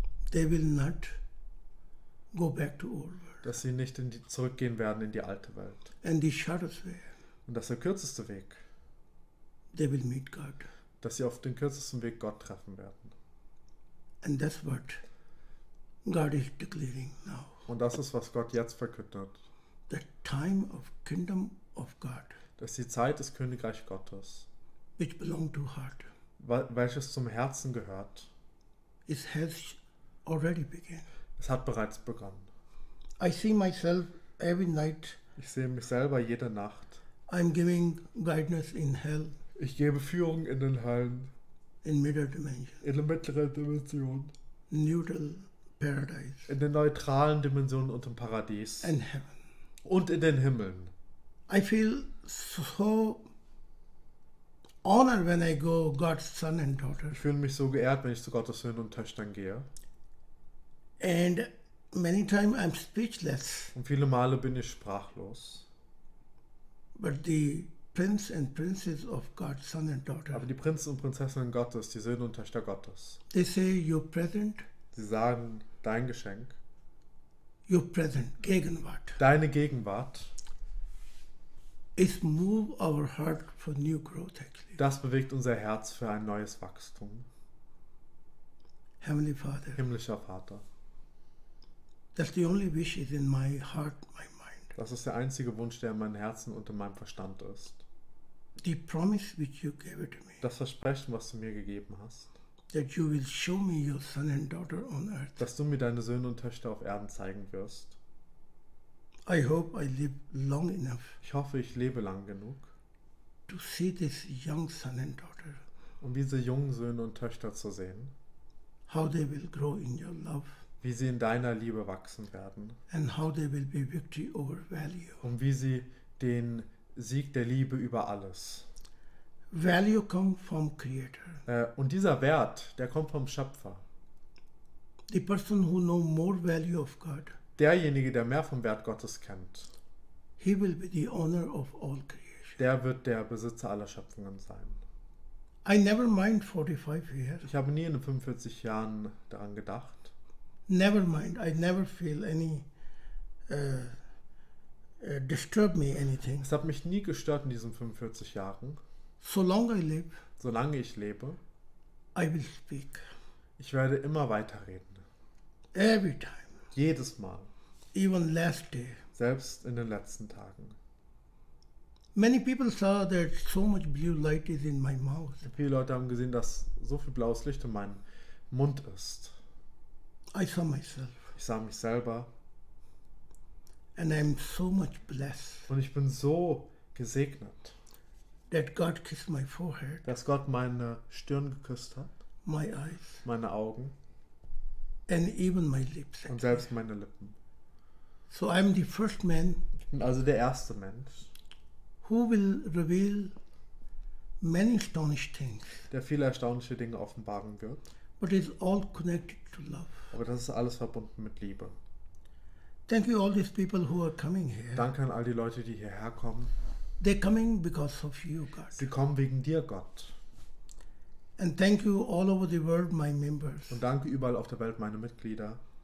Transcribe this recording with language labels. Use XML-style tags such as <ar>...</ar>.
<en>they will not go back to old world,</en> <de>dass sie nicht in die, zurückgehen werden in die alte Welt.</de> <en>And the shortest way,</en> <de>und das ist der kürzeste Weg,</de> <en>they will meet God,</en> <de>dass sie auf den kürzesten Weg Gott treffen werden.</de> <en>And that's what God is declaring now.</en> <de>Und das ist, was Gott jetzt verkündet.</de> <en>The time of kingdom of God.</en> <de>Das ist die Zeit des Königreich Gottes.</de> <en>Which belongs to heart.</en> <de>Welches zum Herzen gehört.</de> <en>It has already begun.</en> <de>Es hat bereits begonnen.</de> <en>I see myself every night.</en> <de>Ich sehe mich selber jede Nacht.</de> <en>I'm giving guidance in hell.</en> <de>Ich gebe Führung in den Höllen.</de> <en>In middle dimension.</en> <de>In der mittleren Dimension.</de> <en>Neutral paradise.</en> <de>In der neutralen Dimension und im Paradies.</de> <en>And heaven.</en> <de>Und in den Himmeln.</de> <en>I feel so honored when I go God's son and daughter.</en> <de>Ich fühle mich so geehrt, wenn ich zu Gottes Söhnen und Töchtern gehe.</de> <en>And many times I'm speechless.</en> <de>Und viele Male bin ich sprachlos.</de> <en>But the Prince and princes of God, son and daughter.</en> <de>Aber die Prinzen und Prinzessinnen Gottes, die Söhne und Töchter Gottes.</de> <en>They say your present.</en> <de>Sie sagen dein Geschenk.</de> <en>Your present, Gegenwart.</en> <de>Deine Gegenwart.</de> <en>It moves our heart for new growth, actually.</en> <de>Das bewegt unser Herz für ein neues Wachstum.</de> <en>Heavenly Father.</en> <de>Himmlischer Vater.</de> <en>That's the only wish is in my heart, my mind.</en> <de>Das ist der einzige Wunsch, der in meinem Herzen und in meinem Verstand ist.</de> <en>The promise which you gave to me.</en> <de>Das Versprechen, was du mir gegeben hast.</de> <en>That you will show me your son and daughter on earth.</en> <de>Dass du mir deine Söhne und Töchter auf Erden zeigen wirst.</de> <en>I hope I live long enough.</en> <de>Ich hoffe, ich lebe lang genug.</de> <en>To see this young son and daughter.</en> <de>Um diese jungen Söhne und Töchter zu sehen.</de> <en>How they will grow in your love.</en> <de>Wie sie in deiner Liebe wachsen werden.</de> <en>And how they will be victory over value.</en> <de>Und wie sie den Sieg der Liebe über alles.</de> <en>Value come from Creator.</en> <de>Und dieser Wert, der kommt vom Schöpfer.</de> <en>The person who know more value of God.</en> <de>Derjenige, der mehr vom Wert Gottes kennt.</de> <en>He will be the owner of all creation.</en> <de>Der wird der Besitzer aller Schöpfungen sein.</de> <en>I never mind 45 years.</en> <de>Ich habe nie in den 45 Jahren daran gedacht.</de> <en>Never mind. I never feel any disturb me anything.</en> <de>Es hat mich nie gestört in diesen 45 Jahren.</de> <en>So long I live.</en> <de>Solange ich lebe.</de> <en>I will speak.</en> <de>Ich werde immer weiterreden.</de> <en>Every time.</en> <de>Jedes Mal.</de> <en>Even last day.</en> <de>Selbst in den letzten Tagen.</de> <en>Many people saw that so much blue light is in my mouth.</en> <de>Viele Leute haben gesehen, dass so viel blaues Licht in meinem Mund ist.</de> <en>I saw myself.</en> <de>Ich sah mich selber.</de> <en>And I'm so much blessed.</en> <de>Und ich bin so gesegnet.</de> <en>That God kissed my forehead.</en> <de>Dass Gott meine Stirn geküsst hat.</de> <en>My eyes.</en> <de>Meine Augen.</de> <en>And even my lips.</en> <de>Und selbst meine Lippen.</de> <en>So I'm the first man.</en> <de>Ich bin also der erste Mensch.</de> <en>Who will reveal many astonishing things.</en> <de>Der viele erstaunliche Dinge offenbaren wird.</de> <en>But it's all connected to love.</en> <de>Aber das ist alles verbunden mit Liebe.</de> <en>Thank you all these people who are coming here.</en> <de>Danke an all die Leute, die hierher kommen.</de> <en>They're coming because of you, God.</en> <de>Sie kommen wegen dir, Gott.</de> <en>And thank you all over the world, my members.</en> <de>Und danke überall auf der Welt meine Mitglieder.</de>